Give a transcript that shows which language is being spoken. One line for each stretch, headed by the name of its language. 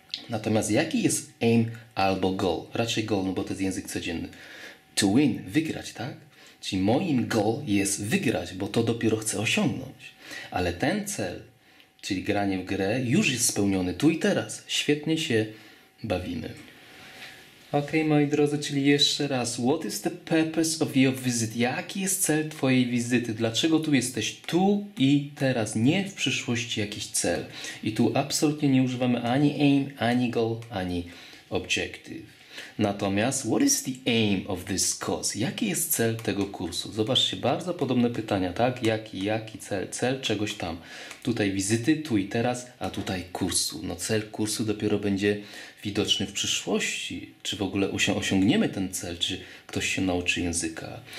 Polish: Natomiast jaki jest aim albo goal? Raczej goal, no bo to jest język codzienny.
English: To win,
Polish: wygrać, tak? Czyli moim goal jest wygrać, bo to dopiero chcę osiągnąć. Ale ten cel, czyli granie w grę, już jest spełniony tu i teraz. Świetnie się bawimy. Ok, moi drodzy, czyli jeszcze raz.
English: What is the purpose of your visit?
Polish: Jaki jest cel twojej wizyty? Dlaczego tu jesteś? Tu i teraz, nie w przyszłości jakiś cel. I tu absolutnie nie używamy ani aim, ani goal, ani objective. Natomiast
English: what is the aim of this course?
Polish: Jaki jest cel tego kursu? Zobaczcie, bardzo podobne pytania, tak? Jaki cel? Cel czegoś tam. Tutaj wizyty, tu i teraz, a tutaj kursu. No cel kursu dopiero będzie widoczny w przyszłości. Czy w ogóle osiągniemy ten cel, czy ktoś się nauczy języka?